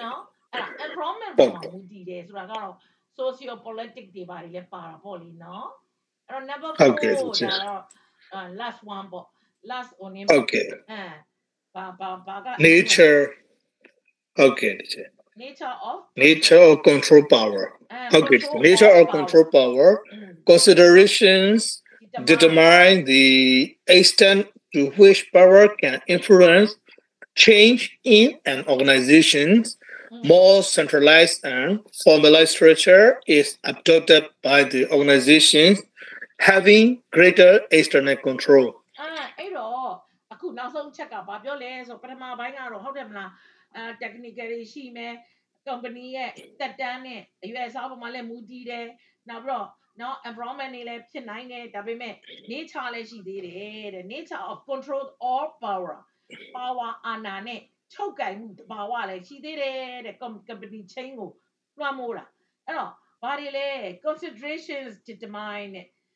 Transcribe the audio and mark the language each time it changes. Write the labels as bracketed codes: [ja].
[my] နော်အဲ့ environment ဒီလေဆိုတာကတော့ socio political တွေပါတယ်လေပါတာပေါ့လေနော်အဲ့တော့ number 4 [en] okay, [my] ဆိုတာတော့ [en] last one [my] ပေါ့ last one ဟုတ်ကဲ့ ဟမ်ပါက nature ဟုတ်ကဲ့တဲ့ [en] nature of control power [my] ဟုတ်ကဲ့ [en] nature of control power considerations determine the extent to which power can influence change in an organization'sMore centralized and formalized structure is adopted by the organization having greater external control. [my] အဲ့တော့အခု နောက်ဆုံးချက်ကဘာပြောလဲဆိုပထမပိုင်းကတော့ဟုတ်တယ်မလားအဲ technically ရှိမယ် company ရဲ့တက်တန်းနဲ့အရွယ်စားပုံမှာလည်းမူတည်တယ်နောက်ပြီးတော့နောက် environment နေလည်းဖြစ်နိုင်တယ်ဒါပေမဲ့ nature လည်းရှိသေးတယ်တဲ့ [en] nature of control or power power [my] အနာနဲ့ထုတ်ကန်မှုတဘာဝလည်းရှိသေးတယ်တဲ့ company chain ကိုလွှမ်းမိုးတာအဲ့တော့ဘာတွေလဲ [en] considerations determine [my] နဲ့